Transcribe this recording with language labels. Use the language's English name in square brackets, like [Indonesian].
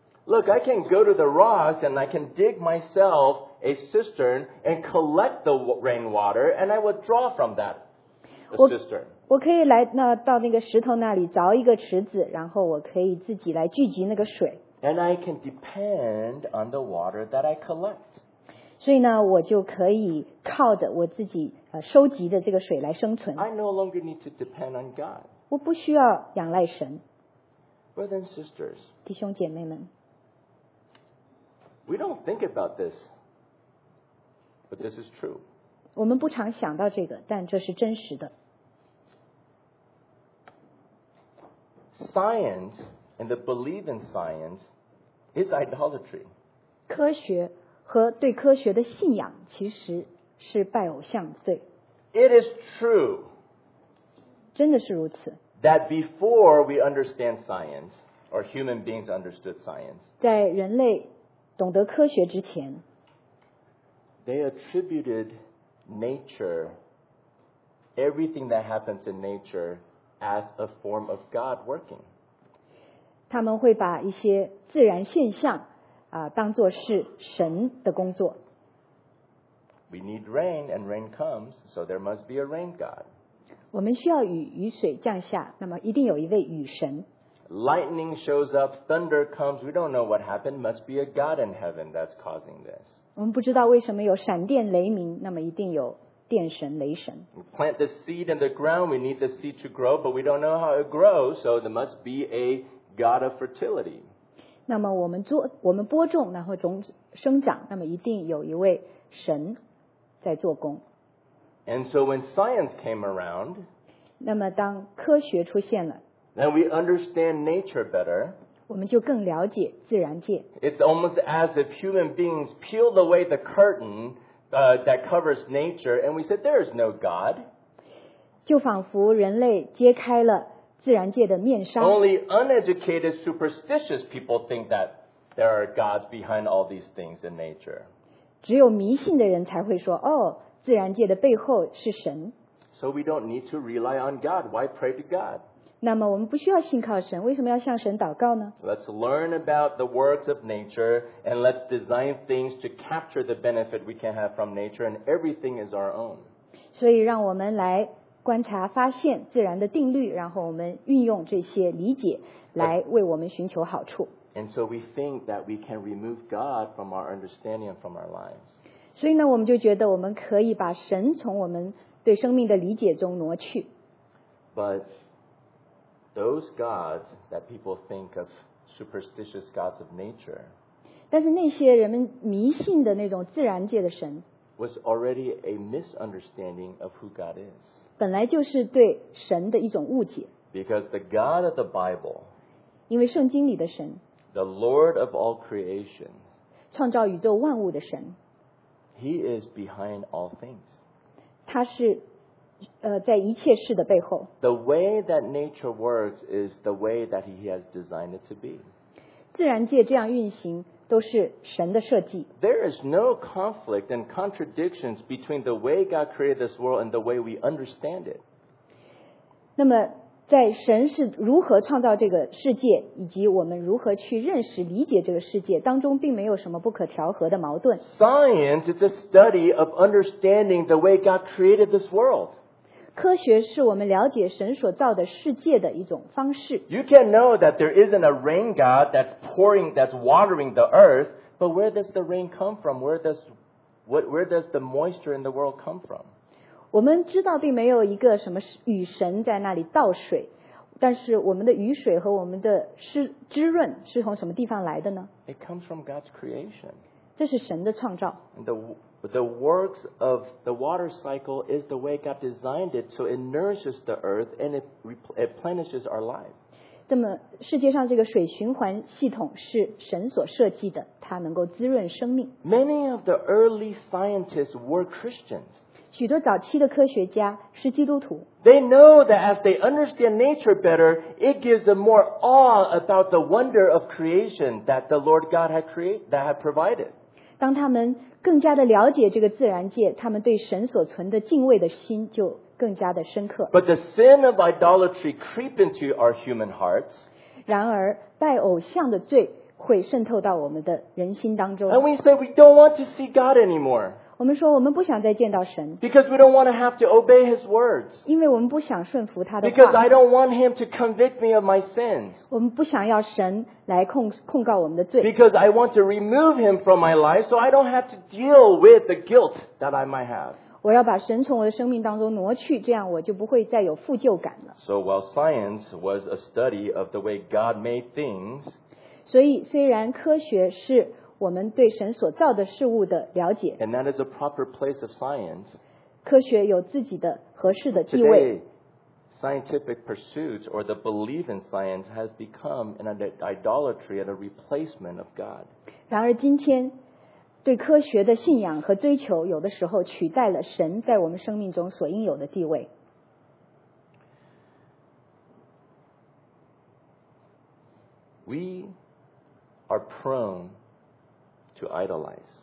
[English] Look, I can go to the rocks and I can dig myself. A cistern and collect the rainwater, and I would draw from that cistern. [Chinese] 我可以来那到那个石头那里凿一个池子，然后我可以自己来聚集那个水。 [English] And I can depend on the water that I collect. [Chinese] 所以呢，我就可以靠着我自己收集的这个水来生存。 [English] I no longer need to depend on God. [Chinese] 我不需要仰赖神。 [English] Brothers and sisters, [Chinese] 弟兄姐妹们 [English] ，We don't think about this. But this is true. [Chinese] 我们不常想到这个，但这是真实的。 [English] Science and the belief in science is idolatry. [Chinese] 科学和对科学的信仰其实是拜偶像罪。 [English] It is true. [Chinese] 真的是如此。 [English] That before we understand science, or human beings understood science, [Chinese] 在人类懂得科学之前。 [English] They attributed nature, everything that happens in nature, as a form of God working. [Chinese] 他们会把一些自然现象当作是神的工作。 [English] We need rain, and rain comes, so there must be a rain God. [Chinese] 我们需要雨，雨水降下，那么一定有一位雨神。 [English] Lightning shows up, thunder comes, we don't know what happened, must be a God in heaven that's causing this. [Chinese] 我们不知道为什么有闪电雷鸣，那么一定有电神雷神。 [English] We plant the seed in the ground, we need the seed to grow, but we don't know how it grows, so there must be a God of fertility. [Chinese] 那么我们播种，然后种子生长，那么一定有一位神在做工。 [English] And so when science came around, [Chinese] 那么当科学出现了, [English] then we understand nature better. [Chinese] 我们就更了解自然界。 [English] It's almost as if human beings peeled away the curtain, that covers nature, and we said, there is no God. [Chinese] 就仿佛人类揭开了自然界的面纱。 [English] Only uneducated, superstitious people think that there are gods behind all these things in nature. [Chinese] 只有迷信的人才会说，哦，自然界的背后是神。 [English] So we don't need to rely on God. Why pray to God? [Chinese] 那么我们不需要信靠神，为什么要向神祷告呢？ [English] Let's learn about the works of nature and let's design things to capture the benefit we can have from nature and everything is our own. [Chinese] 所以让我们来观察发现自然的定律，然后我们运用这些理解来为我们寻求好处。 [English] And so we think that we can remove God from our understanding and from our lives. [Chinese] 所以呢，我们就觉得我们可以把神从我们对生命的理解中挪去。 [English] But those gods that people think of, superstitious gods of nature, [Chinese] 但是那些人们迷信的那种自然界的神 [English] was already a misunderstanding of who God is. [Chinese] 本来就是对神的一种误解。 [English] Because the God of the Bible, [Chinese] 因为圣经里的神 [English] the Lord of all creation, [Chinese] 创造宇宙万物的神 [English] He is behind all things. [Chinese] 他是在一切事的背后。 [English] The way that nature works is the way that he has designed it to be. [Chinese] 自然界这样运行都是神的设计。 [English] There is no conflict and contradictions between the way God created this world and the way we understand it. [Chinese] 那么在神是如何创造这个世界以及我们如何去认识理解这个世界当中并没有什么不可调和的矛盾。 [English] Science is the study of understanding the way God created this world. [Chinese] 科学是我们了解神所造的世界的一种方式。 [English] You can know that there isn't a rain God that's pouring, that's watering the earth, but where does the rain come from? Where does the moisture in the world come from? [Chinese] 我们知道并没有一个什么雨神在那里倒水，但是我们的雨水和我们的湿润是从什么地方来的呢？ [English] It comes from God's creation. [Chinese] 这是神的创造。 [English] The works of the water cycle is the way God designed it, so it nourishes the earth and it replenishes our life. [Chinese] 这么世界上这个水循环系统是神所设计的，它能够滋润生命。 [English] Many of the early scientists were Christians. [Chinese] 许多早期的科学家是基督徒。 [English] They know that as they understand nature better, it gives them more awe about the wonder of creation that the Lord God had created, that had provided. [Chinese] 当他们更加的了解这个自然界，他们对神所存的敬畏的心就更加的深刻。 [English] But the sin of idolatry creeps into our human hearts. [Chinese] 然而，拜偶像的罪会渗透到我们的人心当中。 [English] And we say we don't want to see God anymore. [Chinese] 我们说我们不想再见到神 [English] Because we don't want to have to obey his words. [Chinese] 因为我们不想顺服他的话 [English] Because I don't want him to convict me of my sins. [Chinese] 我们不想要神来控告我们的罪 [English] Because I want to remove him from my life so I don't have to deal with the guilt that I might have. [Chinese] 我要把神从我的生命当中挪去这样我就不会再有负疚感了 [English] So while science was a study of the way God made things, [Chinese] 所以虽然科学是我们对神所造的事物的了解 [English] And that is a proper place of science. [Chinese] 科学有自己的合适的地位 [English] Today, scientific pursuits or the belief in science has become an idolatry and a replacement of God. [Chinese] 然而今天对科学的信仰和追求有的时候取代了神在我们生命中所应有的地位 [English] We are prone to idolize.